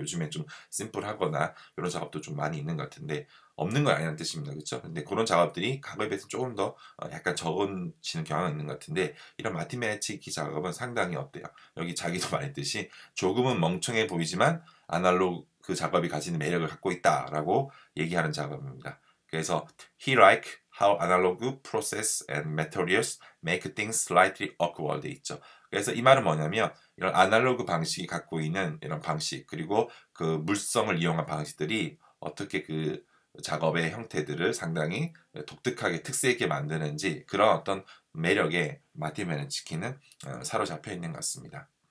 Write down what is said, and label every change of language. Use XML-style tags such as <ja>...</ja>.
<ko>요즘에 좀 심플하거나 이런 작업도 좀 많이 있는 것 같은데 없는 건 아니란 뜻입니다. 그렇죠? 근데 그런 작업들이 가거에 비해서 조금 더 약간 적어지는 경향이 있는 것 같은데 이런 마틴 베네츠키 작업은 상당히 어때요? 여기 자기도 말했듯이 조금은 멍청해 보이지만 아날로그 그 작업이 가지는 매력을 갖고 있다라고 얘기하는 작업입니다. 그래서</ko> <en>he like how analog process and materials make things slightly awkward</en> <ko>있죠. 그래서 이 말은 뭐냐면 이런 아날로그 방식이 갖고 있는 이런 방식 그리고 그 물성을 이용한 방식들이 어떻게 그 작업의 형태들을 상당히 독특하게 특색 있게 만드는지 그런 어떤 매력에 마틴 베네츠키는 사로잡혀 있는 것 같습니다.</ko>